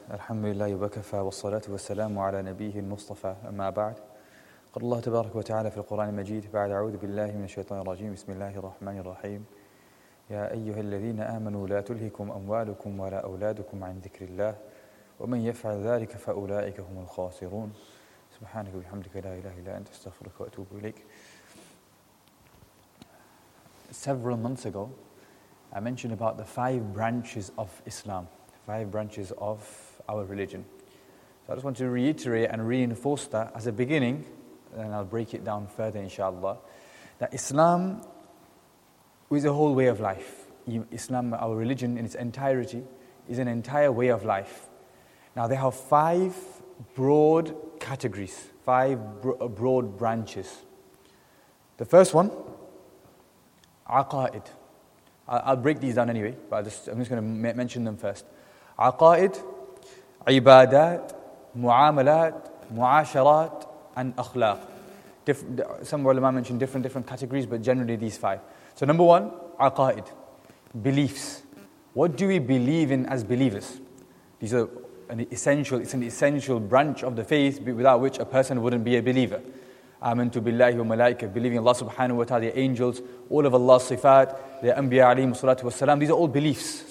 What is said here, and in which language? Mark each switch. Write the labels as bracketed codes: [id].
[ar] الحمد لله وكفى والصلاة والسلام على نبيه المصطفى أما بعد، قال الله تبارك وتعالى في القرآن المجيد بعد أعوذ بالله من الشيطان الرجيم، بسم الله الرحمن الرحيم، يا أيها الذين آمنوا لا تلهكم أموالكم ولا أولادكم عن ذكر الله ومن يفعل ذلك فأولئك هم الخاسرون. سبحانك وبحمدك لا إله إلا أنت استغفرك وأتوب إليك. [en] Several months ago I mentioned about the five branches of Islam, five branches of our religion. So I just want to reiterate and reinforce that as a beginning, and I'll break it down further inshallah, that Islam is a whole way of life. Islam, our religion in its entirety, is an entire way of life. Now they have five broad categories, five broad branches. The first one, aqaid. I'll break these down anyway, but I'm just going to mention them first. [ar] عقائد, عبادات, معاملات, معاشرات, [en] and [ar] أخلاق. [en] Some ulama mentioned different categories, but generally these five. So number one, عقائد, beliefs. What do we believe in as believers? These are an essential branch of the faith without which a person wouldn't be a believer. [ar] آمنتُ بالله وملائكة, [en] believing Allah subhanahu wa ta'ala, the angels, all of Allah's sifat, the anbiya alayhim salatu wassalam, these are all beliefs.